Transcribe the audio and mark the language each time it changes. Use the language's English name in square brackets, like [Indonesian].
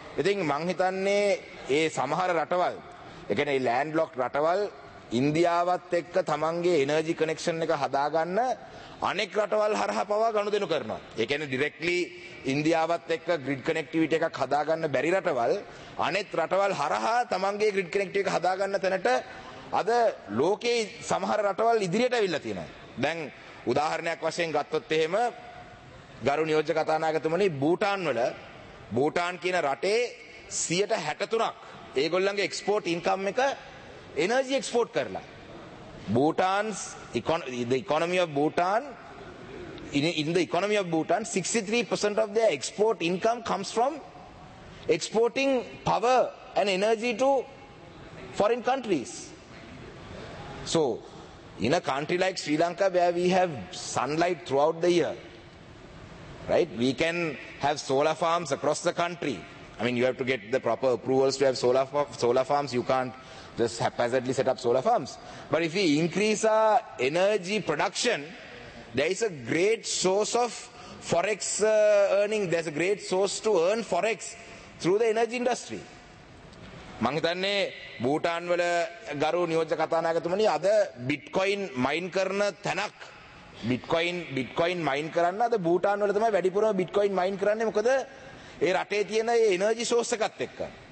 [Sinhala] ඉතින් මං හිතන්නේ ඒ සමහර රටවල් ඒ කියන්නේ ඒ ලෑන්ඩ් ලොක් රටවල් ඉන්දියාවත් එක්ක තමන්ගේ එනර්ජි කනෙක්ෂන් එක හදාගන්න අනෙක් රටවල් හරහා පවා ගනුදෙනු කරනවා. ඒ කියන්නේ ඩිරෙක්ට්ලි ඉන්දියාවත් එක්ක ග්‍රිඩ් කනෙක්ටිවිටි එකක් හදාගන්න බැරි රටවල් අනෙත් රටවල් හරහා තමන්ගේ ග්‍රිඩ් කනෙක්ටිවිටි එක හදාගන්න තැනට අද ලෝකේ සමහර රටවල් ඉදිරියට ඇවිල්ලා තියෙනවා. දැන් උදාහරණයක් වශයෙන් ගත්තොත් එහෙම ගරු නියෝජ්‍ය කතානායකතුමනි බූටාන් වල බූටාන් කියන රටේ 63% ඒගොල්ලන්ගේ එක්ස්පෝර්ට් ඉන්කම් එක එනර්ජි එක්ස්පෝර්ට් කරලා [English] Bhutan's economy, the economy of Bhutan, in the economy of Bhutan, 63% of their export income comes from exporting power and energy to foreign countries. So, in a country like Sri Lanka, where we have sunlight throughout the year, right, we can have solar farms across the country. I mean, you have to get the proper approvals to have solar farms. You can't just haphazardly set up solar farms. But if we increase our energy production, there is a great source of forex earning. There's a great source to earn forex through the energy industry. [Sinhala] මං හිතන්නේ බූටාන් වල ගරු නියෝජ්‍ය කතානායකතුමනි අද Bitcoin මයින් කරන තැනක් Bitcoin මයින් කරන්න අද බූටාන් වල තමයි වැඩිපුරම බිට්කොයින් මයින් කරන්නේ මොකද ඒ රටේ තියෙන ඒ එනර්ජි සෝස් එකත් එක්ක.